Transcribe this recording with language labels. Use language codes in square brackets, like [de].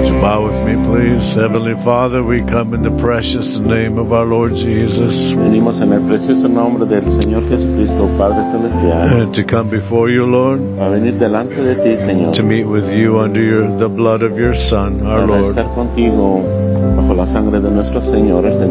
[en] Father, we come in the precious name of our Lord Jesus. [es] Venimos en el precioso nombre del Señor Jesucristo, Padre Celestial. [en] To come before you, Lord. [es] A venir delante de ti, Señor. [en] To meet with you under the blood of your Son, our Lord. [es] Para estar contigo bajo la sangre de nuestro Señor.